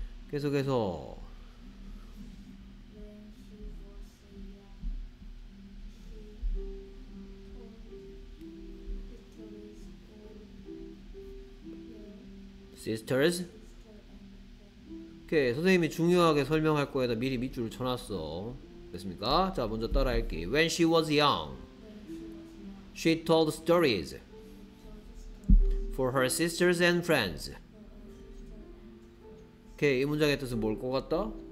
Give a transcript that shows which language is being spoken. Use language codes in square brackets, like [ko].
[ko] 계속해서 Sisters. 오케이. 선생님이 중요하게 설명할 거에다 미리 밑줄을 쳐놨어. 됐습니까? 자, 먼저 따라할게. [en] When she was young, she told stories for her sisters and friends. [ko] 오케이. 이 문장의 뜻은 뭘 것 같다?